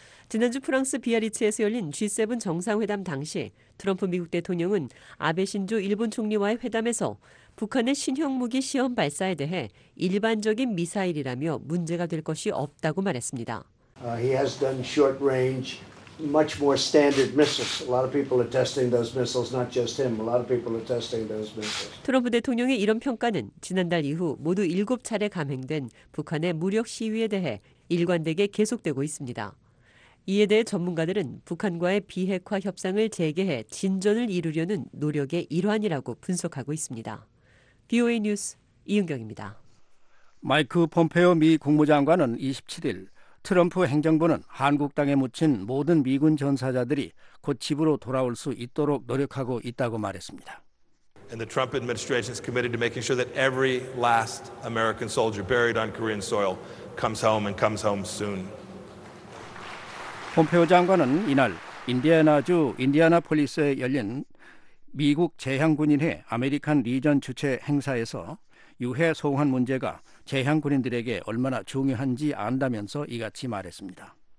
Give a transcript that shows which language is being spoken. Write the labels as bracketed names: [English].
[Korean] 지난주 프랑스 비아리츠에서 열린 G7 정상회담 당시 트럼프 미국 대통령은 아베 신조 일본 총리와의 회담에서 북한의 신형 무기 시험 발사에 대해 일반적인 미사일이라며 문제가 될 것이 없다고 말했습니다. [English] He has done short range, much more standard missiles. A lot of people are testing those missiles, not just him. A lot of people are testing those missiles. [Korean] 트럼프 대통령의 이런 평가는 지난달 이후 모두 7차례 감행된 북한의 무력 시위에 대해 일관되게 계속되고 있습니다. 이에 대해 전문가들은 북한과의 비핵화 협상을 재개해 진전을 이루려는 노력의 일환이라고 분석하고 있습니다. BOA 뉴스 이은경입니다. 마이크 폼페오 미 국무장관은 27일 트럼프 행정부는 한국 땅에 묻힌 모든 미군 전사자들이 곧 집으로 돌아올 수 있도록 노력하고 있다고 말했습니다. [English] And the Trump administration is committed to making sure that every last American soldier buried on Korean soil comes home and comes home soon. [Korean] 폼페오 장관은 이날 인디애나주 인디애나폴리스에 열린 미국 재향군인회 아메리칸 리전 주최 행사에서 유해 소환 문제가 재향군인들에게 얼마나 중요한지 안다면서 이같이 말했습니다.